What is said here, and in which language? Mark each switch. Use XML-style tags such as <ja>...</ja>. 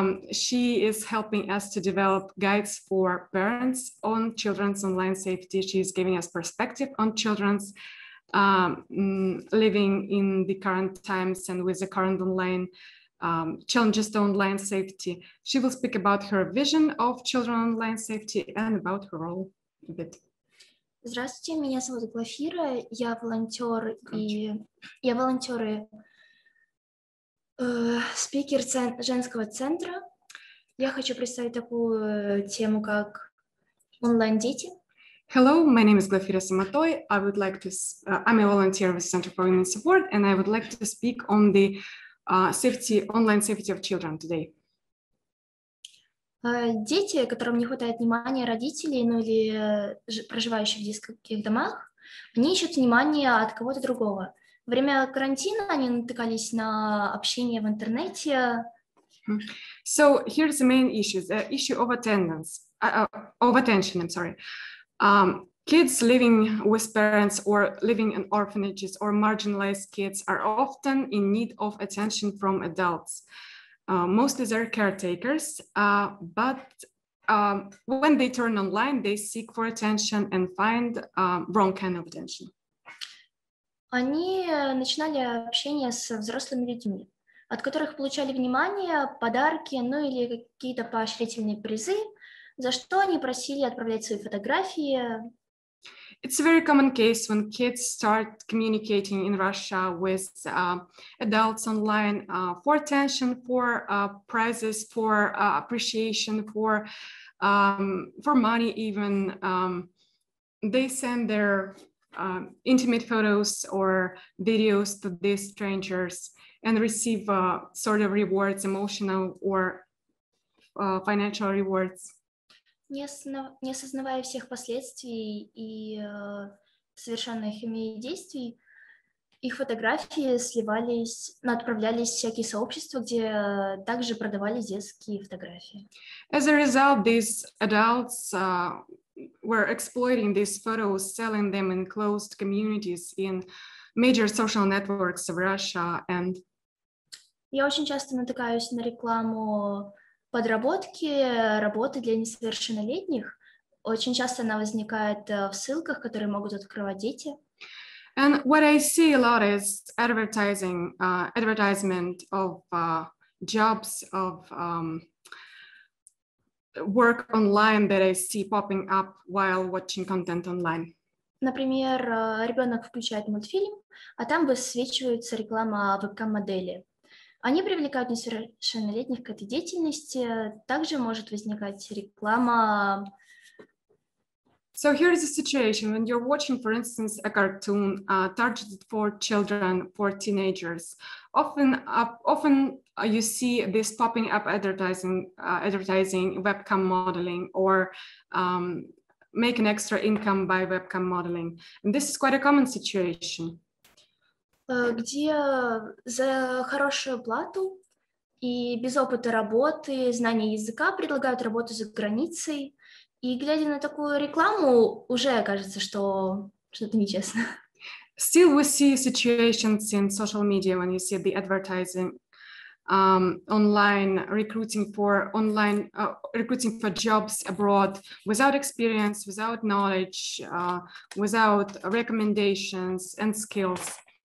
<en>She is helping us to develop guides for parents on children's online safety. She's giving us perspective on children's living in the current times and with the current online challenges to online safety. She will speak about her vision of children online safety and about her role a bit.</en> <ru>Здравствуйте, меня зовут Глафира. Я волонтер и я волонтеры. Спикер женского центра. Я хочу представить такую тему, как онлайн-дети.</ru> <en>Hello, my name is Glafira Samatoy. I would like to, I'm a volunteer with Center for Women's Support, and I would like to speak on the safety, online safety of children today.</en> <ru>Дети, которым не хватает внимания родителей, ну или проживающих в детских домах, они ищут внимание от кого-то другого. Во время карантина они натыкались на общение в интернете.</ru> <en>So here's the main issue, the issue of attendance, of attention, I'm sorry. Kids living with parents or living in orphanages or marginalized kids are often in need of attention from adults, mostly their caretakers, but when they turn online, they seek for attention and find wrong kind of attention.</en> <ru>Они начинали общение с взрослыми людьми, от которых получали внимание, подарки, ну или какие-то поощрительные призы, за что они просили отправлять свои фотографии.</ru> <en>It's a very common case when kids start communicating in Russia with adults online for attention, for prizes, for appreciation, for money even. They send their intimate photos or videos to these strangers and receive sort of rewards, emotional or financial rewards.</en> <ru>Не осознавая всех последствий и совершенных ими действий, их фотографии отправлялись в всякие сообщества, где также продавали детские фотографии.</ru> <en>As a result, these adults were exploiting these photos, selling them in closed communities in major social networks of Russia. And</en> <ru>я очень часто натыкаюсь на рекламу подработки работы для несовершеннолетних. Очень часто она возникает в ссылках, которые могут открывать дети.</ru> <en>And what I see a lot is advertising, advertisement of jobs, of work online that I see popping up while watching content online.</en> <ru>Например, ребенок включает мультфильм, а там высвечивается реклама вебкам-модели. Они привлекают несовершеннолетних к этой деятельности. Также может возникать реклама.</ru> <en>So here is the situation. When you're watching, for instance, a cartoon targeted for children, for teenagers, often you see this popping up advertising webcam modeling or make an extra income by webcam modeling. And this is quite a common situation.</en> <ru>Где за хорошую плату и без опыта работы, знания языка предлагают работу за границей. И глядя на такую рекламу, уже кажется, что что-то нечестно.</ru> <en>Still we see situations in social media when you see the advertising online recruiting for online recruiting for jobs abroad without experience, without knowledge, without recommendations and skills.</en>